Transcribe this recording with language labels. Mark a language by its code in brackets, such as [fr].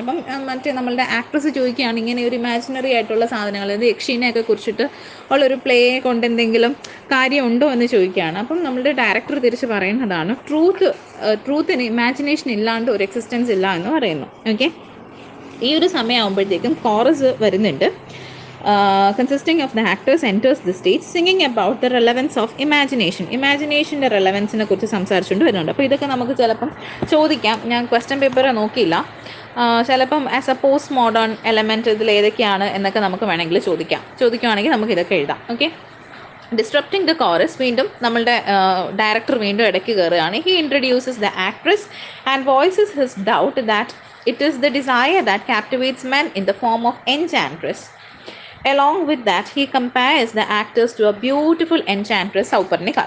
[ml] അപ്പം മറ്റേ നമ്മളുടെ ആക്ട്രസ് ചോദിക്കുകയാണ് ഇങ്ങനെ ഒരു ഇമാജിനറി ആയിട്ടുള്ള സാധനങ്ങൾ അത് യക്ഷീനെയൊക്കെ കുറിച്ചിട്ട് ഉള്ളൊരു പ്ലേയെ കൊണ്ട് എന്തെങ്കിലും കാര്യമുണ്ടോ എന്ന് ചോദിക്കുകയാണ്. അപ്പം നമ്മളുടെ ഡയറക്ടർ തിരിച്ച് പറയുന്നതാണ് ട്രൂത്തിന് ഇമാജിനേഷൻ ഇല്ലാണ്ട് ഒരു എക്സിസ്റ്റൻസ് ഇല്ല എന്ന് പറയുന്നു. ഓക്കെ, ഈ ഒരു സമയമാകുമ്പോഴത്തേക്കും കോറസ് വരുന്നുണ്ട്. [en] Consisting of the actors enters the stage singing about the relevance of imagination. [ml] Imagination-ന്റെ relevance-നെ കുറിച്ച് സംസാരിച്ചുകൊണ്ട് വരുന്നുണ്ട്. അപ്പോൾ ഇതൊക്കെ നമുക്ക് ചിലപ്പം ചോദിക്കാം, ഞാൻ ക്വസ്റ്റ്യൻ പേപ്പർ നോക്കിയില്ല, ചിലപ്പം [en] as a post modern element [ml] ഇതിൽ ഏതൊക്കെയാണ് എന്നൊക്കെ നമുക്ക് വേണമെങ്കിൽ ചോദിക്കുകയാണെങ്കിൽ നമുക്ക് ഇതൊക്കെ എഴുതാം. ഓക്കെ, [en] disrupting the chorus [ml] വീണ്ടും നമ്മളുടെ ഡയറക്ടർ വീണ്ടും ഇടയ്ക്ക് കയറുകയാണ്. [en] He introduces the actress and voices his doubt that it is the desire that captivates men in the form of enchantress. Along with that, he compares the actors to a beautiful enchantress, Souparnika.